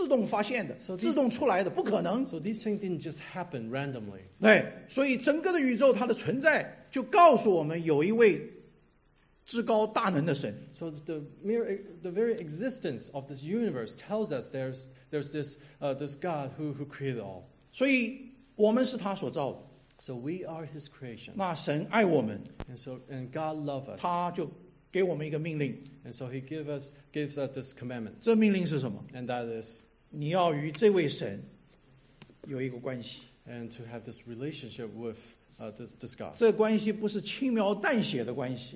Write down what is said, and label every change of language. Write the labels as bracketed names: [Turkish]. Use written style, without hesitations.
[Chinese] 对，这些都是不是偶然发出、自动发现的、自动出来的，不可能。 [English] So these things didn't just happen randomly. [Chinese] 对，所以整个的宇宙它的存在就告诉我们有一位。至高大能的神, [English] so the very existence of this universe tells us there's this this God who created all. [Chinese] 所以我们是他所造的, [English] so we are his creation. [Chinese] 那神爱我们, [English] and God loves us. [Chinese] 他就给我们一个命令, [English] and so he gives us this commandment. [Chinese] 这命令是什么? [English] And that is [Chinese] 你要与这位神有一个关系, [English] and to have this relationship with this God. [Chinese] 这关系不是轻描淡写的关系,